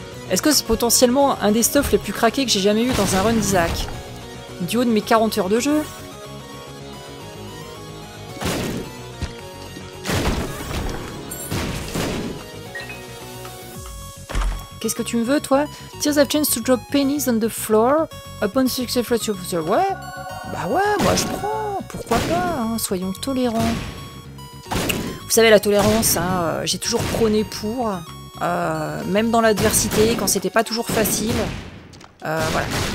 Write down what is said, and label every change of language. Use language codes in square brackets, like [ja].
[fr] Est-ce que c'est potentiellement un des stuffs les plus craqués que j'ai jamais eu dans un run d'Isaac? Du haut de mes 40 heures de jeu? Qu'est-ce que tu me veux, toi? [en] Tears have chance to drop pennies on the floor. Upon success rate of the... [fr] Ouais, bah ouais, moi je prends. Pourquoi pas, hein, soyons tolérants. Vous savez, la tolérance, hein, j'ai toujours prôné pour. Même dans l'adversité, quand c'était pas toujours facile. Voilà.